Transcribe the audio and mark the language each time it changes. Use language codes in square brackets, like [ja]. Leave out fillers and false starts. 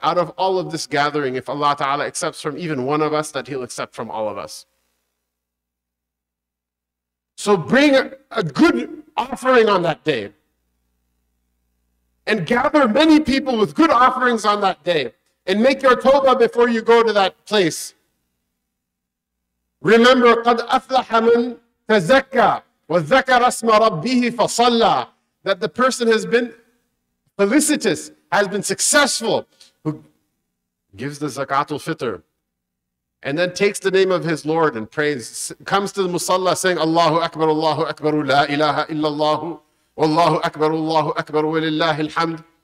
[en] Out of all of this gathering, if Allah Ta'ala accepts from even one of us, that He'll accept from all of us. So bring a good offering on that day. And gather many people with good offerings on that day. And make your tawbah before you go to that place. Remember, [ar] قَدْ أَفْلَحَ مَنْ تَزَكَّى وَذَكَرَ اسْمَ رَبِّهِ فَصَلَّى. [en] That the person has been felicitous, has been successful, who gives the zakat al-fitr And then takes the name of his Lord and prays, comes to the Musalla saying, Allahu Akbar, Allahu Akbar, la ilaha illallahu, Allahu Akbar, Allahu Akbar, wa lillahi alhamd.